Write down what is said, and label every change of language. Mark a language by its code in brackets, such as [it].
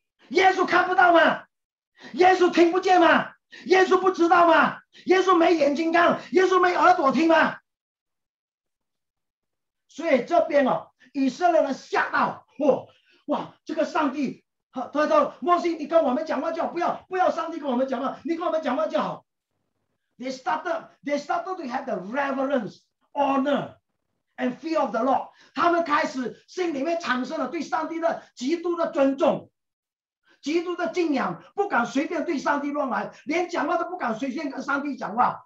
[zh] 耶稣看不到吗？耶稣听不见吗？耶稣不知道吗？耶稣没眼睛看？耶稣没耳朵听吗？所以这边哦，以色列人吓到，哇哇，这个上帝，他说摩西，你跟我们讲话就好，不要上帝跟我们讲话，你跟我们讲话就好。 [en] They started to have the reverence, honor, and fear of the Lord. [zh] 他们开始心里面产生了对上帝的极度的尊重，极度的敬仰，不敢随便对上帝乱来，连讲话都不敢随便跟上帝讲话。